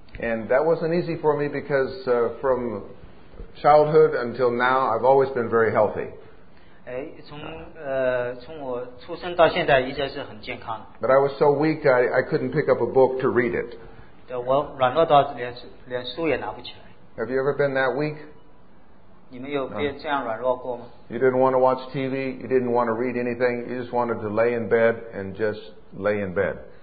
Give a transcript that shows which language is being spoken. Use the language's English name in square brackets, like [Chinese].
[English] And that wasn't easy for me because from childhood until now, I've always been very healthy. [Chinese] 从我出生到现在一直是很健康。 [English] But I was so weak, I couldn't pick up a book to read it. [Chinese] 我软弱到连书也拿不起来。 [English] Have you ever been that weak? [Chinese] 你们有这样软弱过吗? [English] You didn't want to watch TV, you didn't want to read anything, you just wanted to lay in bed and just lay in bed.